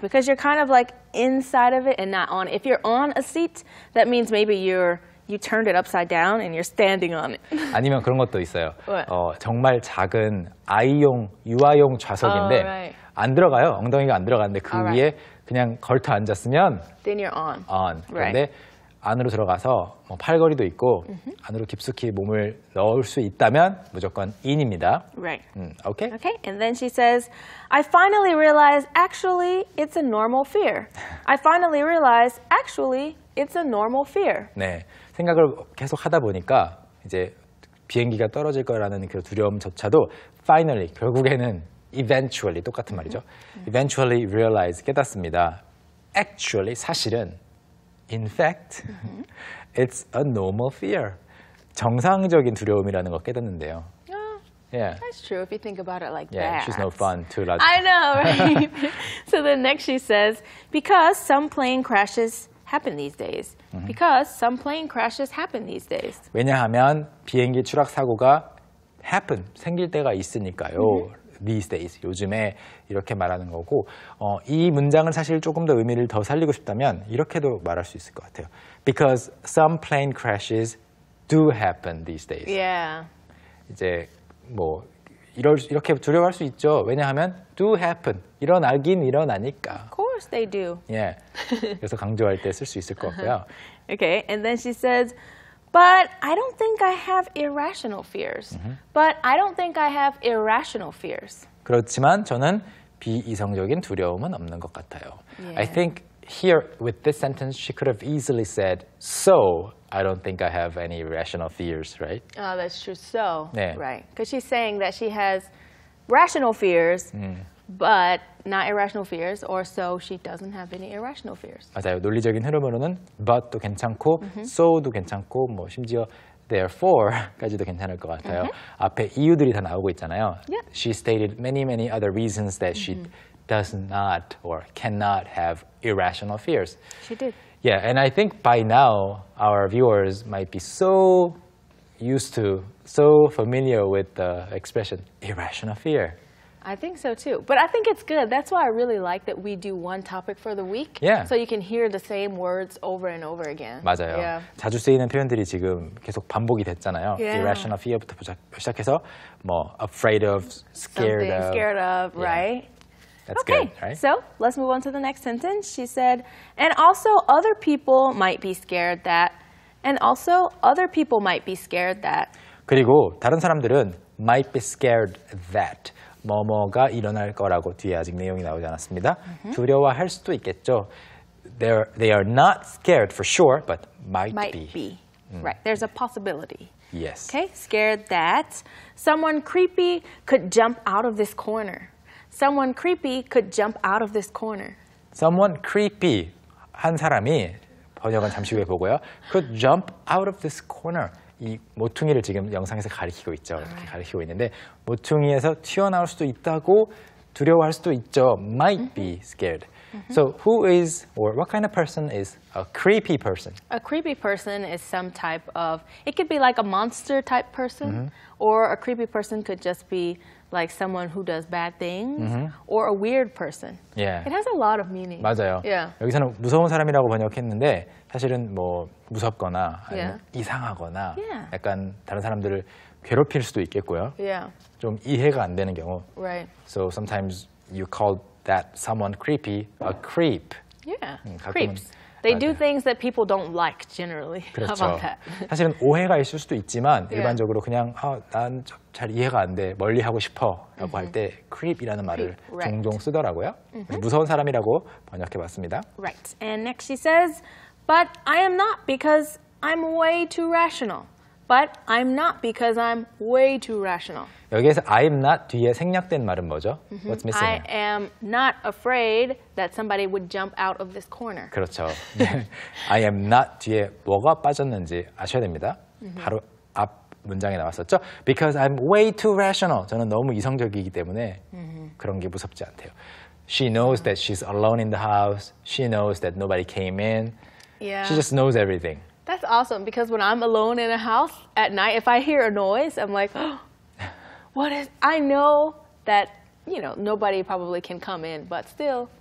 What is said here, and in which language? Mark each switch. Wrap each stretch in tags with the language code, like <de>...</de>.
<en>Because you're kind of like inside of it and not on. If you're on a seat, that means maybe you turned it upside down and you're standing on it.</en> <ko>아니면 그런 것도 있어요.</ko> <en>What?</en> <ko>정말 작은 아이용, 유아용 좌석인데</ko> <en>oh, right.</en> <ko>안 들어가요. 엉덩이가 안 들어가는데 그 All 위에 right. 그냥 걸터 앉았으면</ko> <en>Then you're on.</en> <ko>on. 그런데 right. 안으로 들어가서 뭐 팔걸이도 있고 mm-hmm. 안으로 깊숙이 몸을 넣을 수 있다면 무조건 in입니다.</ko> <en>Right. Okay? Okay. And then she says, I finally realized actually it's a normal fear. I finally realized actually it's a normal fear.</en> <ko>네. 생각을 계속 하다 보니까 이제 비행기가 떨어질 거라는 그 두려움조차도 finally, 결국에는 eventually, 똑같은 말이죠. Mm-hmm.</ko> <en>Eventually realize,</en> <ko>깨닫습니다.</ko> <en>Actually,</en> <ko>사실은</ko> <en>In fact, it's a normal fear.</en> <ko>정상적인 두려움이라는 거 깨닫는데요.</ko> <en>Yeah. That's true if you think about it like yeah, She's no fun too. Like. I know, right? So then next she says, because some plane crashes happen these days. Because some plane crashes happen these days.</en> <ko>왜냐하면 비행기 추락 사고가 happen, 생길 때가 있으니까요. These days, 요즘에 이렇게 말하는 거고 이 문장을 사실 조금 더 의미를 더 살리고 싶다면 이렇게도 말할 수 있을 것 같아요.</ko> <en>Because some plane crashes do happen these days. Yeah.</en> <ko>이제 뭐 이렇게 두려워할 수 있죠. 왜냐하면 do happen, 일어나긴 일어나니까.</ko> <en>Of course they do.</en> <ko>예, 그래서 강조할 때 쓸 수 있을 것 같고요.</ko> <en>Okay, and then she says, But I don't think I have irrational fears. But I don't think I have irrational fears.</en> <ko>그렇지만 저는 비이성적인 두려움은 없는 것 같아요.</ko> <en>Yeah. I think here with this sentence, she could have easily said, So I don't think I have any irrational fears, right? Oh, that's true. So,</en> <ko>네.</ko> <en>right. Because she's saying that she has rational fears, but not irrational fears, or so she doesn't have any irrational fears.</en> <ko>맞아요. 논리적인 흐름으로는 but도 괜찮고, so도 괜찮고, 뭐 심지어 therefore까지도 괜찮을 것 같아요. 앞에 이유들이 다 나오고 있잖아요.</ko> <en>Yep. She stated many, many other reasons that she does not or cannot have irrational fears. She did. Yeah, and I think by now, our viewers might be so used to, so familiar with the expression irrational fear. I think so too. But I think it's good. That's why I really like that we do one topic for the week. Yeah. So you can hear the same words over and over again.</en> <ko>맞아요. Yeah. 자주 쓰이는 표현들이 지금 계속 반복이 됐잖아요.</ko> <en>Yeah. Irrational fear부터 시작해서 뭐 afraid of, scared Something, of. Scared of, yeah. right? That's okay. good, right? So let's move on to the next sentence. She said, and also other people might be scared that. And also other people might be scared that.</en> <ko>그리고 다른 사람들은</ko> <en>might be scared that.</en> <ko>뭐뭐가 일어날 거라고 뒤에 아직 내용이 나오지 않았습니다. 두려워할 수도 있겠죠.</ko> <en>They are not scared for sure, but might be. Right. There's a possibility. Yes. Okay. Scared that someone creepy could jump out of this corner. Someone creepy could jump out of this corner. Someone creepy</en> <ko>한 사람이 번역은 잠시 후에 보고요.</ko> <en>Could jump out of this corner.</en> <ko>이 모퉁이를 지금 영상에서 가리키고 있죠. 이렇게 가리키고 있는데 모퉁이에서 튀어나올 수도 있다고 두려워할 수도 있죠.</ko> <en>Might be scared. So who is or what kind of person is a creepy person? A creepy person is some type of, it could be like a monster type person or a creepy person could just be like someone who does bad things or a weird person. Yeah. It has a lot of meaning.</en> <ko>맞아요.</ko> <en>Yeah.</en> <ko>여기서는 무서운 사람이라고 번역했는데 사실은 뭐 무섭거나 아니면</ko> <en>yeah.</en> <ko>이상하거나</ko> <en>yeah.</en> <ko>약간 다른 사람들을 괴롭힐 수도 있겠고요.</ko> <en>Yeah.</en> <ko>좀 이해가 안 되는 경우.</ko> <en>Right. So sometimes you call that someone creepy a creep. Yeah. Creeps. They</en> <ko>맞아요.</ko> <en>Do things that people don't like generally.</en> <ko>그렇죠.</ko> <en>How about that?</en> <ko>사실은 오해가 있을 수도 있지만 yeah. 일반적으로 그냥 난 잘 이해가 안 돼. 멀리 하고 싶어. 라고 할 때 creep이라는 말을</ko> <en>creep.</en> <ko>종종</ko> <en>right.</en> <ko>쓰더라고요. 무서운 사람이라고 번역해 봤습니다.</ko> <en>Right. And next she says But I am not because I'm way too rational. But I'm not because I'm way too rational.</en> <ko>여기에서 I'm not 뒤에 생략된 말은 뭐죠?</ko> <en>What's missing? I am not afraid that somebody would jump out of this corner.</en> <ko>그렇죠.</ko> <en>I am not</en> <ko>뒤에 뭐가 빠졌는지 아셔야 됩니다. 바로 앞 문장에 나왔었죠.</ko> <en>Because I'm way too rational.</en> <ko>저는 너무 이성적이기 때문에 그런 게 무섭지 않대요.</ko> <en>She knows that she's alone in the house. She knows that nobody came in. Yeah. She just knows everything. That's awesome because when I'm alone in a house at night, if I hear a noise, I'm like, oh, what is, I know that you know, nobody probably can come in, but still.</en>